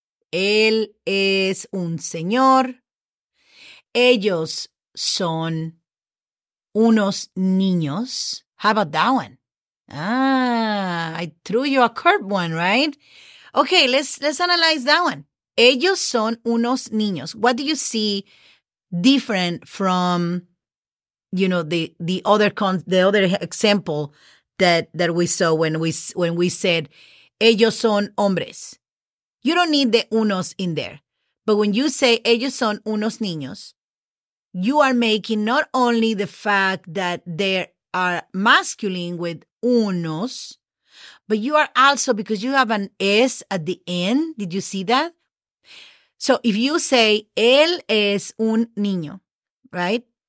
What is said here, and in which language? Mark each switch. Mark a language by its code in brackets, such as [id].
[es] Él es un señor. Ellos son unos niños. [en] How about that one? Ah, I threw you a curb one, right? Okay, let's analyze that one. [es] Ellos son unos niños. [en] What do you see different from you know, the other example that we saw when we said [es] ellos son hombres. [en] You don't need the unos in there. But when you say [es] ellos son unos niños, [en] you are making not only the fact that there are masculine with unos, but you are also, because you have an S at the end. Did you see that? So if you say [es] él es un niño, [en] right?